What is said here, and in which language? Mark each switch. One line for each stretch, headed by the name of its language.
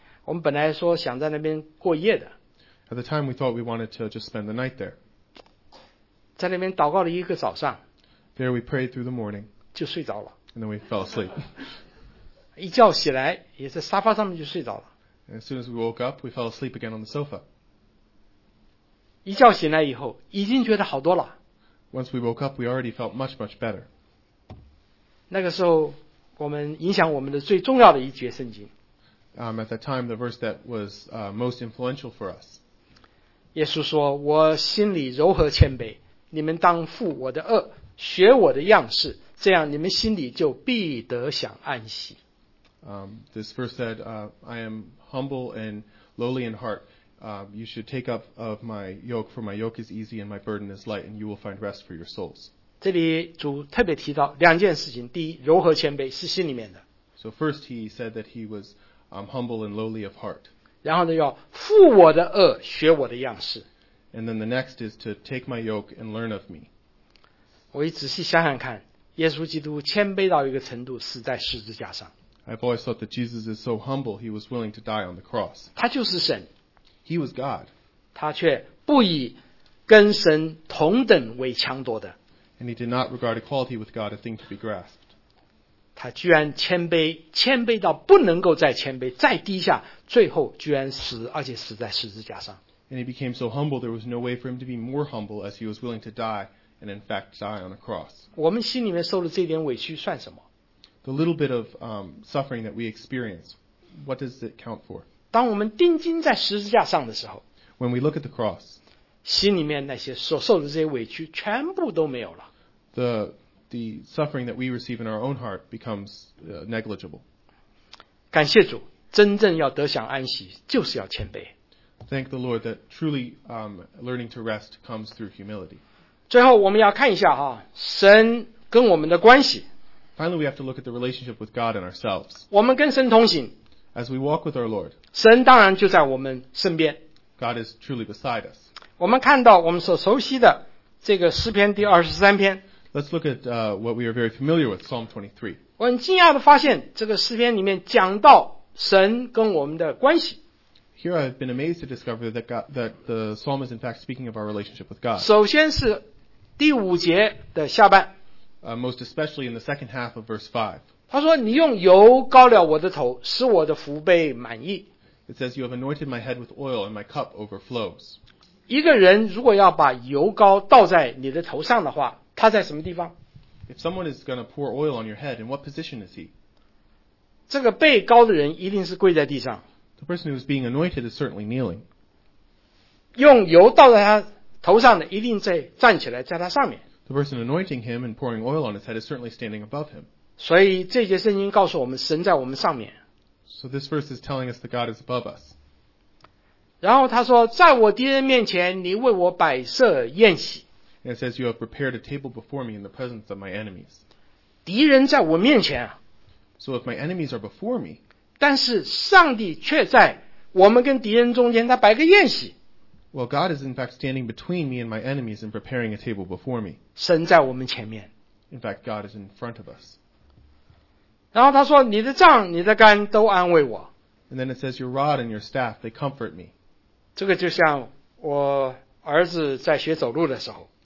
Chinese: 我们本来说想在那边过夜的。
English: At the time, we thought we wanted to just spend the night there.
Chinese: 在那边祷告了一个早上。
English: There we prayed through the morning.
Chinese: 就睡着了。
English: And then we fell asleep.
Chinese: 一觉起来也在沙发上面就睡着了。
English: And as soon as we woke up, we fell asleep again on the sofa.
Chinese: 一觉醒来以后已经觉得好多了。
English: Once we woke up, we already felt much, much better.
Chinese: 那个时候我们影响我们的最重要的一节圣经。
English: At that time, the verse that was most influential for us.
Chinese: 耶稣说，我心里柔和谦卑，你们当负我的轭，学我的样式，这样你们心里就必得享安息。
English: This verse said, I am humble and lowly in heart. You should take up of my yoke, for my yoke is easy and my burden is light, and you will find rest for your souls.
Chinese: 这里主特别提到两件事情，第一，柔和谦卑是心里面的。
English: So first he said that he was humble and lowly of heart.
Chinese: 然后呢，要负我的轭，学我的样式。
English: And then the next is to take my yoke and learn of me.
Chinese: 我一仔细想想看，耶稣基督谦卑到一个程度，死在十字架上。
English: I've always thought that Jesus is so humble, he was willing to die on the cross.
Chinese: 他就是神。
English: He was God.
Chinese: 他却不以跟神同等为强夺的。
English: And he did not regard equality with God a thing to be grasped.
Chinese: 他居然谦卑，谦卑到不能够再谦卑，再低下，最后居然死，而且死在十字架上。
English: And he became so humble, there was no way for him to be more humble as he was willing to die, and in fact die on a cross.
Chinese: 我们心里面受的这点委屈算什么？
English: The little bit of suffering that we experience, what does it count for?
Chinese: 当我们钉钉在十字架上的时候，
English: When we look at the cross,
Chinese: 心里面那些所受的这些委屈全部都没有了。
English: The suffering that we receive in our own heart becomes negligible.
Chinese: 感谢主，真正要得享安息就是要谦卑。
English: Thank the Lord that truly learning to rest comes through humility.
Chinese: 最后我们要看一下哈，神跟我们的关系。
English: Finally, we have to look at the relationship with God and ourselves.
Chinese: 我们跟神同行。
English: As we walk with our Lord.
Chinese: 神当然就在我们身边。
English: God is truly beside us.
Chinese: 我们看到我们所熟悉的这个诗篇第二十三篇。
English: Let's look at what we are very familiar with, Psalm 23.
Chinese: 我很惊讶地发现，这个诗篇里面讲到神跟我们的关系。
English: Here I've been amazed to discover that the psalm is in fact speaking of our relationship with God.
Chinese: 首先是第五节的下半。
English: Most especially in the second half of verse 5.
Chinese: 他说：“你用油膏了我的头，使我的福杯满溢。
English: ”It says, "You have anointed my head with oil, and my cup overflows."
Chinese: 一个人如果要把油膏倒在你的头上的话，他在什么地方？
English: If someone is going to pour oil on your head, in what position is he?
Chinese: 这个被膏的人一定是跪在地上。
English: The person who is being anointed is certainly kneeling.
Chinese: 用油倒在他头上的一定在站起来，在他上面。
English: The person anointing him and pouring oil on his head is certainly standing above him.
Chinese: 所以这节圣经告诉我们，神在我们上面。
English: So this verse is telling us that God is above us.
Chinese: 然后他说，在我敌人面前，你为我摆设宴席。
English: And it says you have prepared a table before me in the presence of my enemies.
Chinese: 敌人在我面前啊。
English: So if my enemies are before me.
Chinese: 但是上帝却在我们跟敌人中间，他摆个宴席。
English: Well, God is in fact standing between me and my enemies and preparing a table before me.
Chinese: 神在我们前面。
English: In fact, God is in front of us.
Chinese: 然后他说，你的杖、你的竿都安慰我。
English: And then it says, your rod and your staff, they comfort me.
Chinese: 这个就像我儿子在学走路的时候。